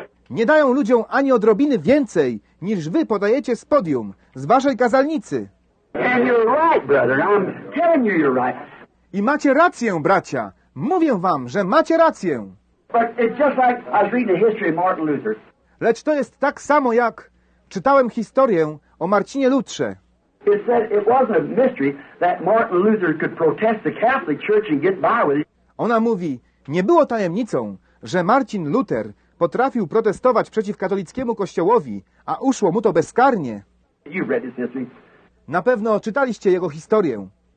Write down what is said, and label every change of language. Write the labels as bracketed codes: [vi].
[pl] Nie dają ludziom ani odrobiny więcej, niż wy podajecie z podium, z waszej kazalnicy. [en] And you're right, brother. I'm telling you, you're right. [pl] I macie rację, bracia. Mówię wam, że macie rację. [en] But it's just like I was reading the history of Martin Luther. [pl] Lecz to jest tak samo, jak czytałem historię o Marcinie Lutrze. [en] It said it wasn't a mystery that Martin Luther could protest the Catholic Church and get by with it. [pl] Ona mówi, nie było tajemnicą, że Martin Luther potrafił protestować przeciw katolickiemu kościołowi, a uszło mu to bezkarnie. [en] You read this history. [pl] Na pewno czytaliście jego historię.